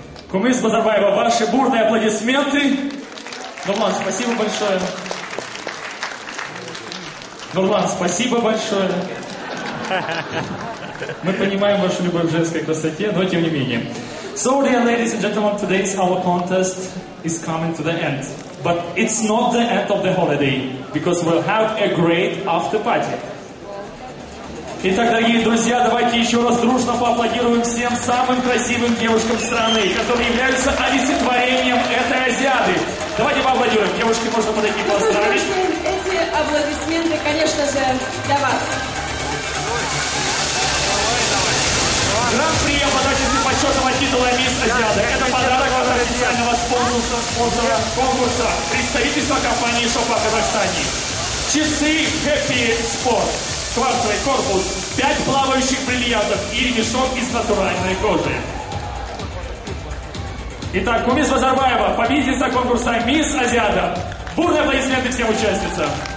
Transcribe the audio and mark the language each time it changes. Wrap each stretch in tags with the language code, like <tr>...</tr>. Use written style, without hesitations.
<ru>Кумис Базарбаева, ваши бурные аплодисменты. Нурлан, спасибо большое. Нурлан, спасибо большое. Мы понимаем вашу любовь к женской красоте, но тем не менее.</ru> <en>So, dear ladies and gentlemen, today's our contest is coming to the end. But it's not the end of the holiday, because we'll have a great after party.</en> <ru>Итак, дорогие друзья, давайте еще раз дружно поаплодируем всем самым красивым девушкам страны, которые являются олицетворением этой Азиады. Давайте поаплодируем. Девушки, можно подойти поаплодировать. Эти аплодисменты, конечно же, для вас. Гран-при обладательницы почетного титула «Мисс Азиада». Это подарок от официального спонсора конкурса представительства компании «Шопа Казахстане». Часы «Happy Sport». Кварцевый корпус, 5 плавающих бриллиантов и мешок из натуральной кожи. Итак, Кумис Базарбаева, победительница конкурса «Мисс Азиада». Бурные аплодисменты всем участницам.</ru>